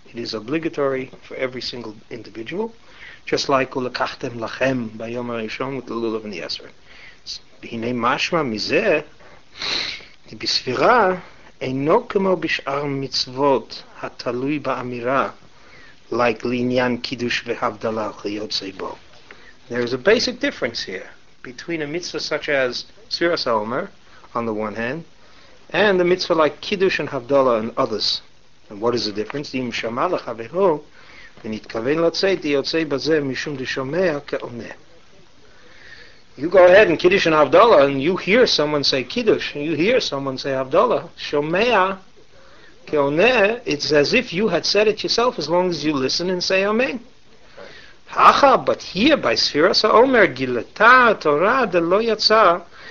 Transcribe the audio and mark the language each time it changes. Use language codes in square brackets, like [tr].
[en] It is obligatory for every single individual. Just like ulekachtem lachem b'yom ha'rishon with the lulav and the esrog. [he] והנה משמע מזה בספירה אינו כמו בשאר מצוות התלוי באמירה like לעניין קידוש והבדלה וכיוצא בו. [en] There is a basic difference here between a mitzvah such as Sfiras HaOmer on the one hand and a mitzvah like קידוש and הבדלה and others. And what is the difference? [he] אם שמע לחברו ונתכוון לצאת יוצא בזה משום דשומע כעונה. [en] You go ahead and Kiddush and Havdalah, and you hear someone say Kiddush, and you hear someone say Havdalah. Shomea keoneh, it's as if you had said it yourself, as long as you listen and say Amen. Hacha, but here, by Sfiras HaOmer, [arc] Gileta Torah de lo yatsa